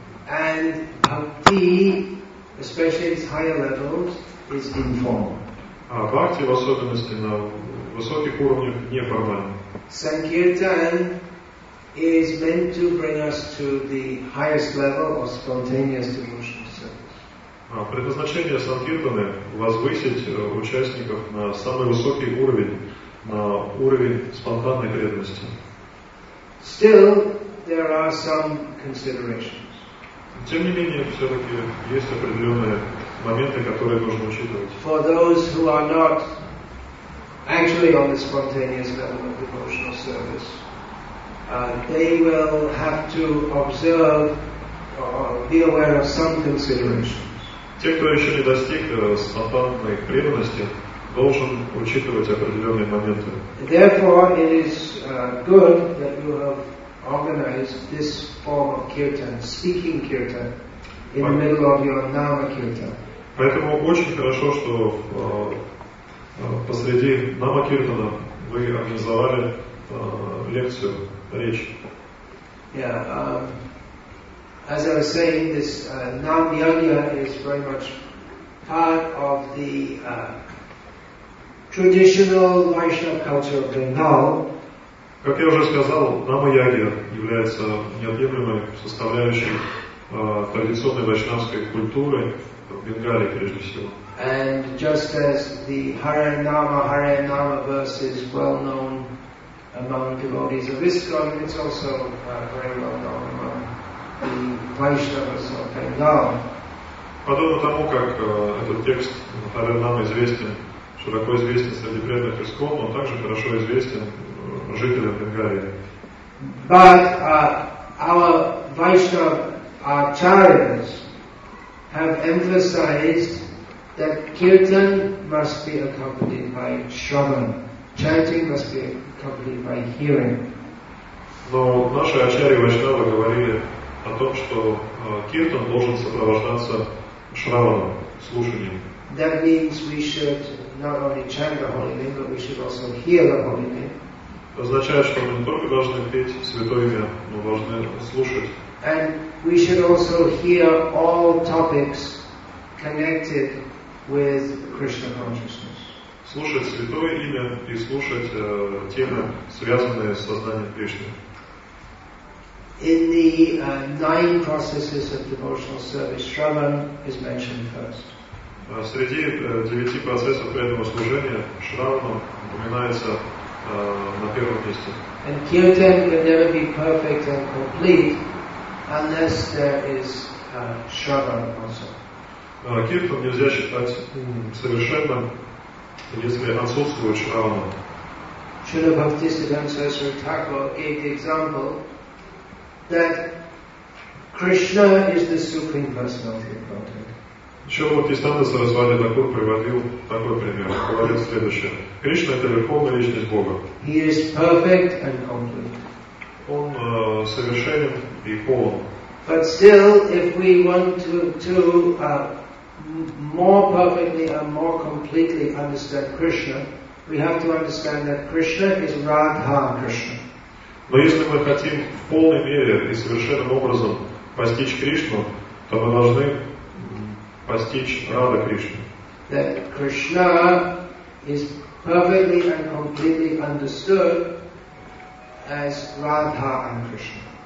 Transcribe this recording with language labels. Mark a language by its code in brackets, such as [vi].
[en] And bhakti, especially its higher levels, is informal. [ru] А bhakti, в особенности на высоких уровнях, неформальна. [en] Sankirtan is meant to bring us to the highest level of spontaneous devotional service. [ru] Предназначение Санкиртаны – возвысить участников на самый высокий уровень, на уровень спонтанной преданности. [en] Still, there are some considerations. [ru] Тем не менее, все-таки есть определенные моменты, которые нужно учитывать. [en] For those who are not actually on the spontaneous level of devotional service, they will have to observe or be aware of some considerations. [ru] Те, кто еще не достиг спонтанной преданности, должен учитывать определенные моменты. [en] Therefore, it is good that you have organized this form of kirtan, speaking kirtan, in the middle of your nama kirtan. [ru] Поэтому очень хорошо, что посреди нама киртана вы организовали лекцию, речь. [en] As I was saying, this nam yajna is very much part of the traditional Vaishnava culture of Bengal. [ru] Как я уже сказал, нама ягья является неотъемлемой составляющей традиционной вайшнавской культуры в Бенгалии прежде всего. [en] And just as the Hare Nama verse is well known among devotees of ISKCON, it's also very well known among the Vaishnavas of Bengal. [ru] Подобно тому, как этот текст Hare Nama известен. Широко известен среди преданных ИСККОН, но также хорошо известен жителям Бенгалии. [en] But our Vaishnava acharyas have emphasized that kirtan must be accompanied by shravan. Chanting must be accompanied by hearing. [ru] Но наши ачарьи вайшнавы говорили о том, что киртан должен сопровождаться шраваном, слушанием. [en] That means we should not only chant the holy name, but we should also hear the holy name. [ru] Означает, что мы не только должны петь святое имя, но должны слушать. [en] And we should also hear all topics connected with Krishna consciousness. [ru] Слушать святое имя и слушать темы, связанные с сознанием Кришны. [en] In the nine processes of devotional service, Shravan is mentioned first. [ru] Среди девяти процессов преданного служения шравана упоминается на первом месте. [en] And kirtan can never be perfect and complete unless there is shravana also. [ru] Киртан нельзя считать совершенным, если отсутствует шравана. [en] Śrīla Bhaktisiddhanta Saraswati Thakura gave the example that Krishna is the supreme personality of Godhead. [ru] Śrīla Bhaktisiddhanta Saraswati Thakura приводил такой пример, говорит следующее. Кришна – это верховная личность Бога. [en] He is perfect and complete. [ru] Он совершенен и полон. [en] But still, if we want to more perfectly and more completely understand Krishna, we have to understand that Krishna is Radha Krishna. [ru] Но если мы хотим в полной мере и совершенным образом постичь Кришну, то мы должны постичь Рада Кришну. [en] That Krishna is perfectly and completely understood as Radha and Krishna.